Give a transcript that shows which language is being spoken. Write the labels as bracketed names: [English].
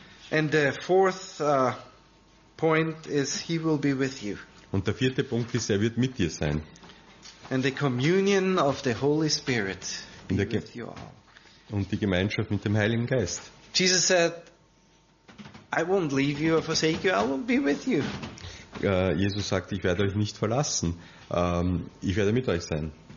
[English] And the fourth point is he will be with you. [German] Und der vierte Punkt ist, er wird mit dir sein. [English] And the communion of the Holy Spirit be with you all. [German] Und die Gemeinschaft mit dem Heiligen Geist. [English] Jesus said, I won't leave you or forsake you, I will be with you. [German] Jesus sagt, ich werde euch nicht verlassen. Ich werde mit euch sein.